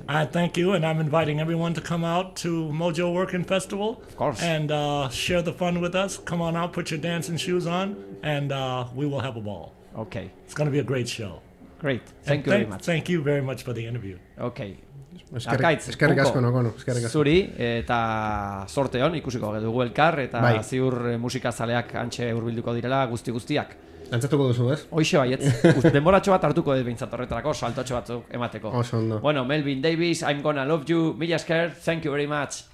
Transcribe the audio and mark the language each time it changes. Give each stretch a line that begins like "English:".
English: I thank you, and I'm inviting everyone to come out to Mojo Working Festival. Of course. And share the fun with us. Come on out, put your dancing shoes on, and we will have a ball. Okay. It's going to be a great show. Great. Thank you very much. Thank you very much for the interview. Okay.
Basque: Eskerrik asko, nokono, eskerrik asko. Zuri, eta sorte hon, ikusiko dugu elkar, eta bai, ziur musikazaleak antxe hurbilduko direla guzti-guztiak. Antzatuko duzu, ez? Hoixe bai, ez. Denboratxo bat hartuko dut behintzat horretarako, saltotxo batzuk emateko. Oso ondo.
English: Bueno, Melvin Davis, I'm Gonna Love You,
Basque: mila esker,
English: thank you very much.